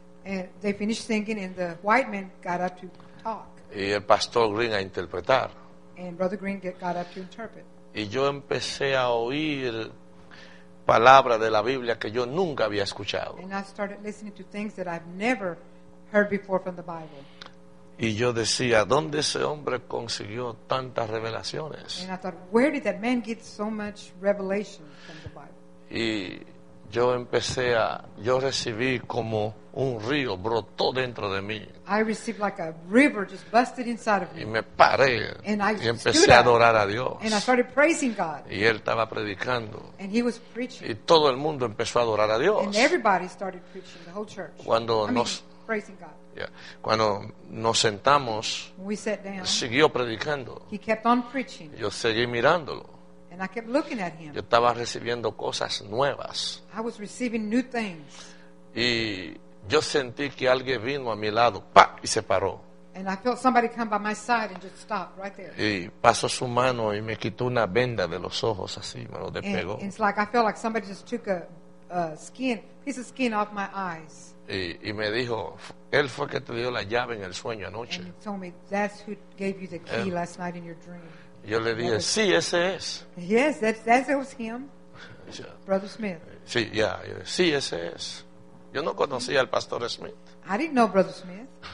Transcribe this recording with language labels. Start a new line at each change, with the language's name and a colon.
English: And they finished singing and the white man got up to talk.
Spanish: Y el pastor Green a interpretar.
English: And Brother Green got up to interpret.
Spanish: Y yo empecé a oír palabras de la Biblia que yo nunca había escuchado.
English: And I started listening to things that I've never heard before from the Bible.
Spanish: Y yo decía, ¿dónde ese hombre consiguió tantas revelaciones?
English: And I thought, where did that man get so much revelation from the Bible?
Spanish: Y yo empecé a, yo recibí como un río brotó dentro de mí.
English: I received like a river just busted inside of me.
Spanish: Y me paré.
English: And I
Spanish: y empecé a adorar a Dios.
English: And I started praising God.
Spanish: Y él estaba predicando.
English: And he was preaching.
Spanish: Y todo el mundo empezó a adorar a Dios.
English: And everybody started preaching, the whole church.
Spanish: Cuando
English: praising God. Yeah.
Spanish: Cuando nos sentamos,
English: we sat down.
Spanish: Siguió predicando.
English: He kept on preaching.
Spanish: Yo seguí mirándolo.
English: And I kept looking at him.
Spanish: Yo estaba recibiendo cosas nuevas.
English: I was receiving new things.
Spanish: Y yo sentí que alguien vino a mi lado, pa, y se paró.
English: And I felt somebody come by my side and just stop right there.
Spanish: Y pasó su mano y me quitó una venda de los ojos así, me lo despegó.
English: And it's like I felt like somebody just took a piece of skin off my eyes.
Spanish: Y me dijo, él fue que te dio la llave en el sueño anoche.
English: And he told me that's who gave you the key él, last night in your dream.
Spanish: Yo le dije, sí, ese es.
English: Yes, that was him. Brother Smith.
Spanish: Sí, ya, yeah, sí, ese es. Yo no conocía al pastor Smith.
English: I didn't know Brother Smith.